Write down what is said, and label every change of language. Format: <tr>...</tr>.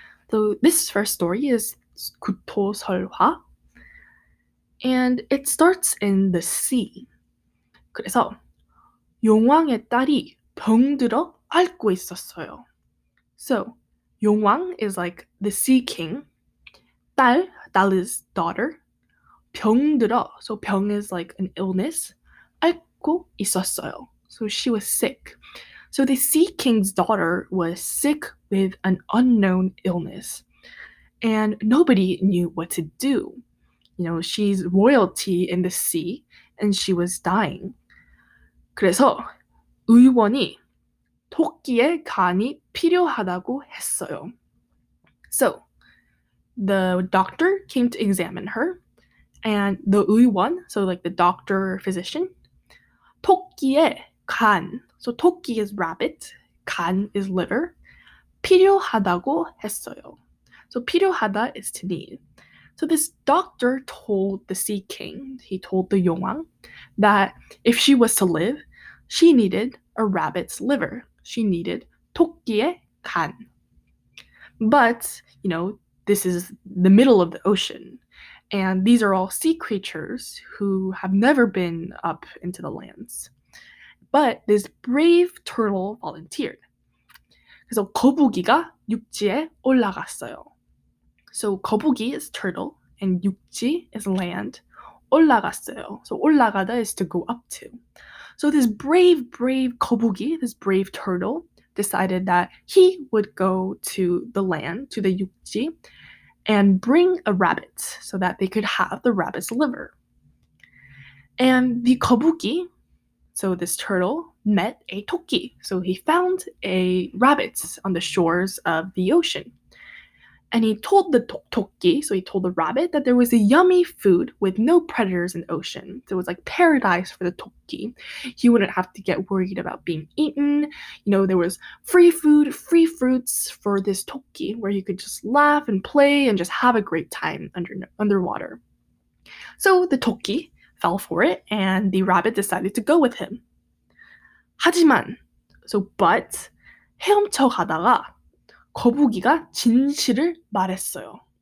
<en>So this first story is 구토설화, and it starts in the sea.</en> <ko>그래서 용왕의 딸이 병들어 앓고 있었어요.</ko> <en>So 용왕 is like the sea king. 딸 is daughter. 병들어, so 병 is like an illness.</en> <ko>앓고 있었어요.</ko> <en>So she was sick. So the sea king's daughter was sick with an unknown illness, and nobody knew what to do. You know, she's royalty in the sea, and she was dying.</en> <ko>그래서 의원이 토끼의 간이 필요하다고 했어요.</ko> <en>So the doctor came to examine her, and the 의원, so like the doctor or physician,</en> <ko>토끼의 간,</ko> <en>so 토끼 is rabbit, 간 is liver,</en> <ko>필요하다고 했어요.</ko> <en>So 필요하다 is to need. So this doctor told the sea king, he told the 용왕, that if she was to live, she needed a rabbit's liver. She needed</en> <ko>토끼의 간.</ko> <en>But, you know, this is the middle of the ocean, and these are all sea creatures who have never been up into the lands. But this brave turtle volunteered.</en> <ko>그래서 거북이가 육지에 올라갔어요.</ko> <en>So 거북이 is turtle, and 육지 is land. 올라갔어요. So 올라가다 is to go up to. So this brave 거북이, this brave turtle, decided that he would go to the land, to the 육지, and bring a rabbit so that they could have the rabbit's liver. And the 거북이, so this turtle, met a 토끼. So he found a rabbit on the shores of the ocean. And he told the 토끼, so he told the rabbit, that there was a yummy food with no predators in the ocean. So it was like paradise for the 토끼. He wouldn't have to get worried about being eaten. You know, there was free food, free fruits for this 토끼, where he could just laugh and play and just have a great time underwater. So the 토끼fell for it, and the rabbit decided to go with him.</en> <ko>하지만,</ko> <en>so but,</en> <ko>헤엄쳐 가다가 거북이가 진실을 말했어요.</ko>